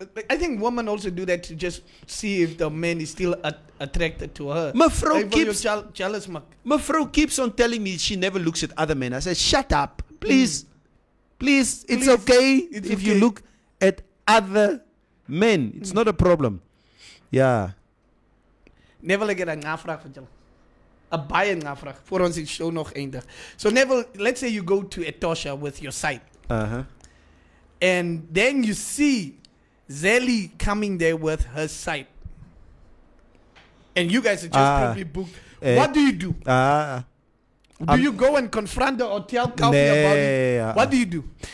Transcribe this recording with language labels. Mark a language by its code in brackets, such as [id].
[en] I think women also do that to just see if the man is still attracted to her. Mafro keeps on telling me she never looks at other men. I said, shut up. Please. Mm. Please. It's okay it's if okay. you look at other men. It's not a problem. Yeah. [af] Neville, ek het 'n navraag vir julle. 'n baie navraag voor ons die show nog eindig. [en] So Neville, let's say you go to Etosha with your site. And then you see Zelly coming there with her site. And you guys are just probably booked. What do you do? Do you go and confront her or tell Kalfi about it? What do you do?